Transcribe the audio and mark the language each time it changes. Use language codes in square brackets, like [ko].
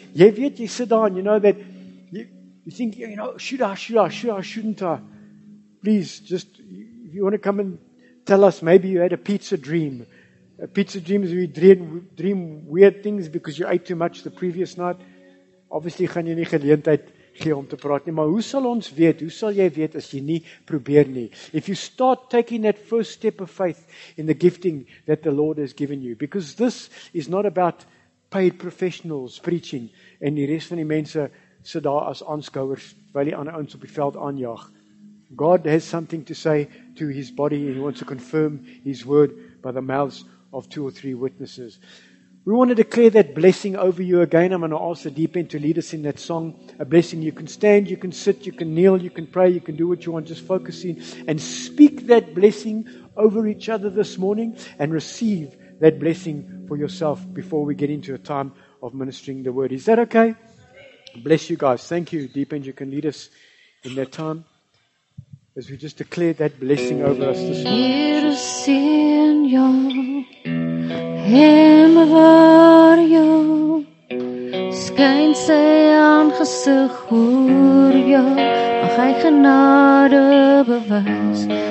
[af] Jy weet, jy [en] sit down, you know that, you think, you know, shouldn't I? Please, just, if you want to come and tell us, maybe you had a pizza dream. A pizza dream is where you dream weird things because you ate too much the previous night. Obviously, [af] gaan jy nie geleentheid gee om te praat nie, maar hoe sal ons weet, hoe sal jy weet as jy nie probeer nie? [en] If you start taking that first step of faith in the gifting that the Lord has given you, because this is not about paid professionals preaching, [af] en die rest van die mense sit daar as aanskouers, terwyl die ander ouens op die veld aanjaag. [en] God has something to say to His body, and He wants to confirm His word by the mouths of two or three witnesses. We want to declare that blessing over you again. I'm going to ask the deep end to lead us in that song, a blessing. You can stand, you can sit, you can kneel, you can pray, you can do what you want. Just focus in and speak that blessing over each other this morning, and receive that blessing for yourself before we get into a time of ministering the word. Is that okay? Bless you guys. Thank you, deep end. You can lead us in that time as we just declare that blessing over us this morning. [af] Hem waar jou skyn sy aangesig oor jou, mag hy genade bewys.